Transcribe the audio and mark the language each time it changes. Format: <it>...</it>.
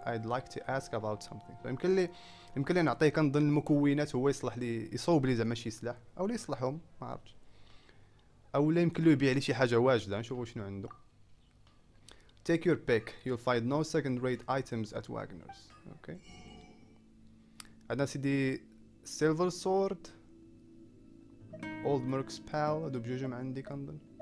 <en>I'd like to ask about something.</en> <ar>يمكن لي نعطيه كنظن المكونات هو يصلح لي، يصوب لي زعما شي سلاح او يصلحهم، ما عرفتش. او لا يمكن له يبيع لي شي حاجه واجده، نشوفوا شنو عنده.</ar> <en>Take your pick. You'll find no second rate items at Wagner's. Okay.</en> <ar>عندنا سيدي silver sword. Old Merc's Pal هادو بجوج عندي كنظن.</ar>